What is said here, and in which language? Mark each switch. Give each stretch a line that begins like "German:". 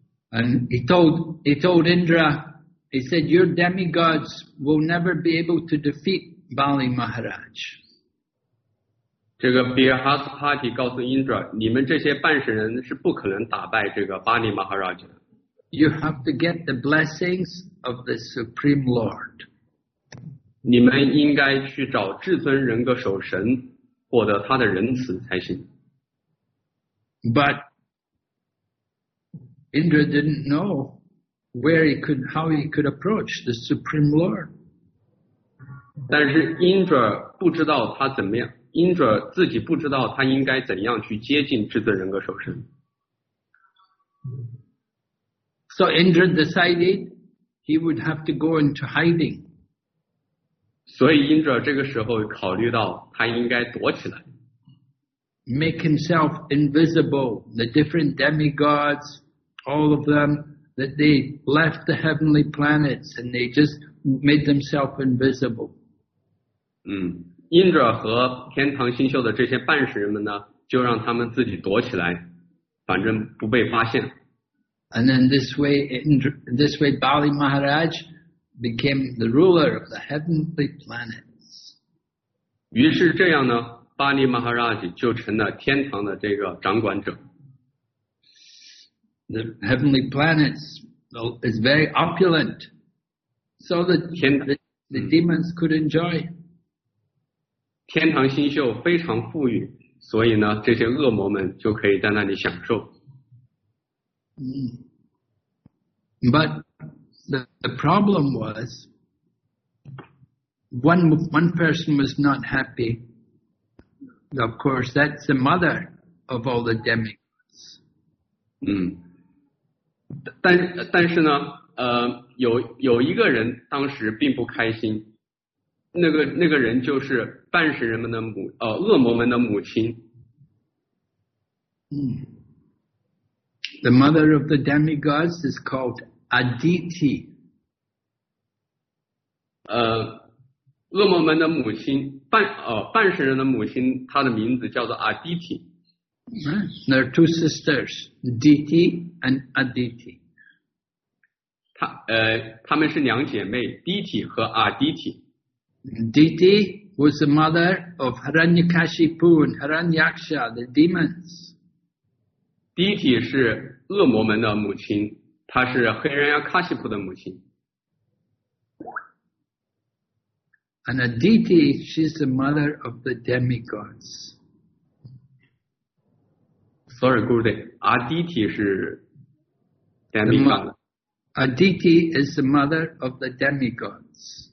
English: And he told Indra, he said, "Your demigods will never be able to defeat." Bali Maharaj.
Chinese: 这个 Brihaspati 告诉 Indra, 你们这些半神人是不可能打败这个 Bali Maharaj 的。
English: You have to get the blessings of the Supreme Lord.
Chinese: 你们应该去找至尊人格首神，获得他的仁慈才行。
English: But Indra didn't know how he could approach the Supreme Lord.
Chinese: 但是 Indra 不知道他怎么样 ，Indra 自己不知道他应该怎样去接近至尊人格首身。
English: So Indra decided he would have to go into hiding.
Chinese: 所以 Indra 这个时候考虑到他应该躲起来
English: ，make himself invisible. The different demigods, all of them, that they left the heavenly planets and they just made themselves invisible.
Chinese: Indra 和天堂星宿的这些半神人们呢，就让他们自己躲起来，反正不被发现。
English: And then this way Bali Maharaj became the ruler of the heavenly planets.
Chinese: 于是这样呢，巴利马哈拉吉就成了天堂的这个掌管者。
English: The heavenly planets is very opulent. So the demons could enjoy.
Chinese: 天堂星宿非常富裕，所以呢，这些恶魔们就可以在那里享受。
English: But the problem was one person was not happy. Of course, that's the mother of all the demigods.
Chinese: 但是呢，有一个人当时并不开心。那个人就是半神人们的母，恶魔们的母亲。
English: The mother of the demigods is called Aditi.
Chinese: 恶魔们的母亲，半神人的母亲，她的名字叫做 Aditi.
English: There are two sisters, Diti and Aditi.
Chinese: 她们是两姐妹 ，Diti 和 Aditi。
English: Diti was the mother of Hiranyakashipu and Hiranyaksha, the demons.
Chinese: Diti 是恶魔们的母亲，她是黑人亚卡西普的母亲。
English: And Aditi, she's the mother of the demigods. Sorry, Gurudev. Aditi 是 demigod. Aditi is the mother of the demigods.